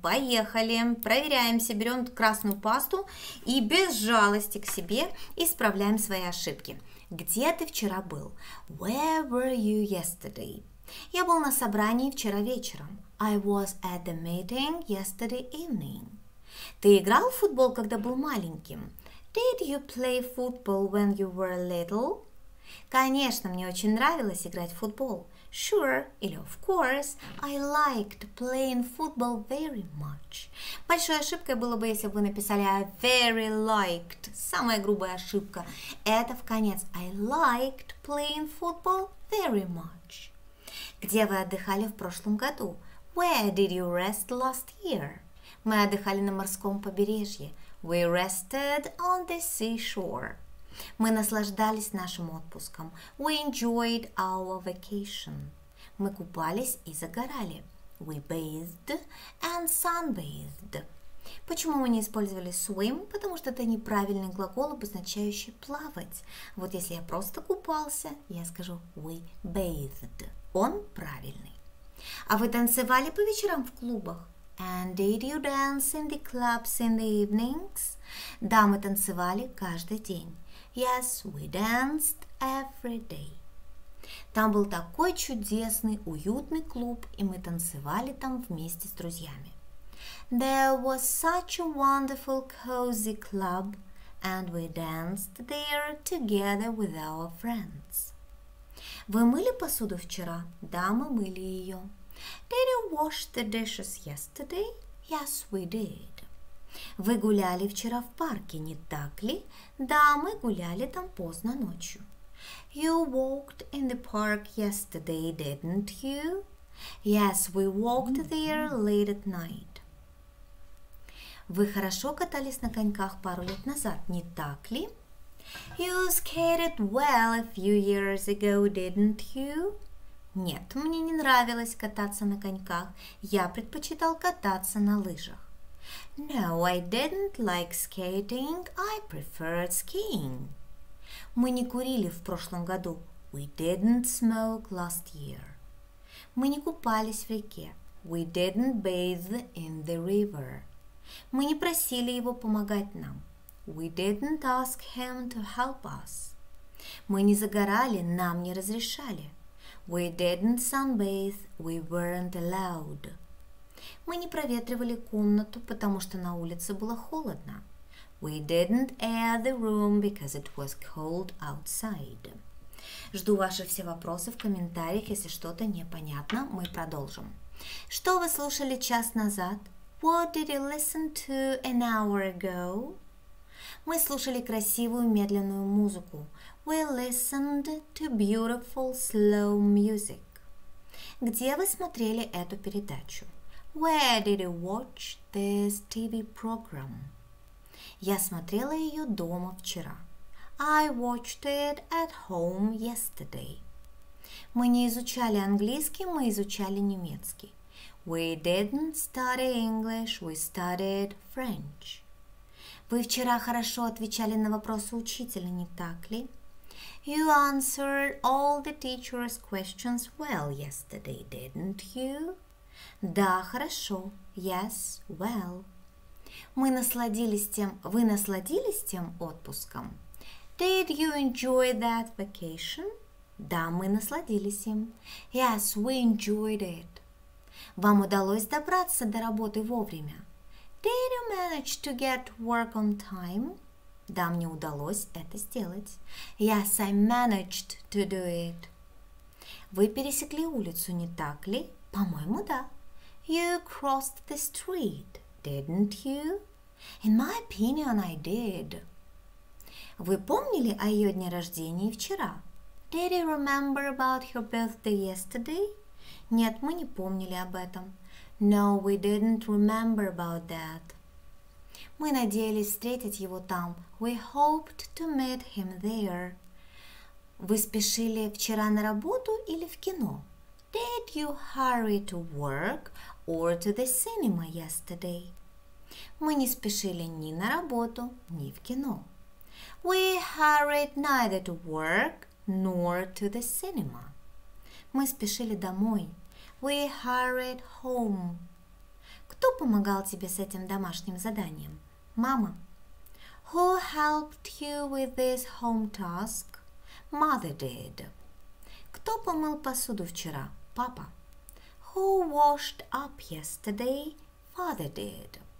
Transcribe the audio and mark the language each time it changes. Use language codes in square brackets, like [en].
[ru] Поехали, проверяемся, берем красную пасту и без жалости к себе исправляем свои ошибки. Где ты вчера был? [en] Where were you yesterday? [ru] Я был на собрании вчера вечером. [en] I was at the meeting yesterday evening. [ru] Ты играл в футбол, когда был маленьким? [en] Did you play football when you were little? [ru] Конечно, мне очень нравилось играть в футбол. [en] Sure, или of course, I liked playing football very much. [ru] Большой ошибкой было бы, если бы вы написали [en] I very liked. [ru] Самая грубая ошибка. Это в конец. [en] I liked playing football very much. [ru] Где вы отдыхали в прошлом году? [en] Where did you rest last year? [ru] Мы отдыхали на морском побережье. [en] We rested on the seashore. [ru] Мы наслаждались нашим отпуском. [en] We enjoyed our vacation. [ru] Мы купались и загорали. [en] We bathed and sunbathed. [ru] Почему мы не использовали swim? Потому что это неправильный глагол, обозначающий плавать. Вот если я просто купался, я скажу [en] we bathed. [ru] Он правильный. А вы танцевали по вечерам в клубах? [en] And did you dance in the clubs in the evenings? [ru] Да, мы танцевали каждый день. [en] Yes, we danced every day. [ru] Там был такой чудесный, уютный клуб, и мы танцевали там вместе с друзьями. [en] There was such a wonderful cozy club, and we danced there together with our friends. [ru] Вы мыли посуду вчера? Да, мы мыли ее. [en] Did you wash the dishes yesterday? Yes, we did. [ru] Вы гуляли вчера в парке, не так ли? Да, мы гуляли там поздно ночью. [en] You walked in the park yesterday, didn't you? Yes, we walked there late at night. [ru] Вы хорошо катались на коньках пару лет назад, не так ли? [en] You skated well a few years ago, didn't you? [ru] Нет, мне не нравилось кататься на коньках. Я предпочитал кататься на лыжах. [en] No, I didn't like skating. I preferred skiing. [ru] Мы не курили в прошлом году. [en] We didn't smoke last year. [ru] Мы не купались в реке. [en] We didn't bathe in the river. [ru] Мы не просили его помогать нам. [en] We didn't ask him to help us. [ru] Мы не загорали, нам не разрешали. [en] We didn't sunbathe, we weren't allowed. [ru] Мы не проветривали комнату, потому что на улице было холодно. [en] We didn't air the room because it was cold outside. [ru] Жду ваши все вопросы в комментариях, если что-то непонятно, мы продолжим. Что вы слушали час назад? [en] What did you listen to an hour ago? [ru] Мы слушали красивую медленную музыку. [en] We listened to beautiful slow music. [ru] Где вы смотрели эту передачу? [en] Where did you watch this TV program? [ru] Я смотрела ее дома вчера. [en] I watched it at home yesterday. [ru] Мы не изучали английский, мы изучали немецкий. [en] We didn't study English, we studied French. [ru] Вы вчера хорошо отвечали на вопросы учителя, не так ли? [en] You answered all the teacher's questions well yesterday, didn't you? [ru] Да, хорошо. [en] Yes, well. [ru] Вы насладились тем отпуском? [en] Did you enjoy that vacation? [ru] Да, мы насладились им. [en] Yes, we enjoyed it. [ru] Вам удалось добраться до работы вовремя? [en] Did you manage to get work on time? [ru] Да, мне удалось это сделать. [en] Yes, I managed to do it. [ru] Вы пересекли улицу, не так ли? По-моему, да. [en] You crossed the street, didn't you? In my opinion, I did. [ru] Вы помнили о ее дне рождения вчера? [en] Did you remember about her birthday yesterday? [ru] Нет, мы не помнили об этом. [en] No, we didn't remember about that. [ru] Мы надеялись встретить его там. [en] We hoped to meet him there. [ru] Вы спешили вчера на работу или в кино? [en] Did you hurry to work or to the cinema yesterday? [ru] Мы не спешили ни на работу, ни в кино. [en] We hurried neither to work nor to the cinema. [ru] Мы спешили домой. [en] We hurried home. [ru] Кто помогал тебе с этим домашним заданием? Мама. [en] Who helped you with this home task? Mother did. [ru] Кто помыл посуду вчера? Папа. [en] Who washed up yesterday? Father did.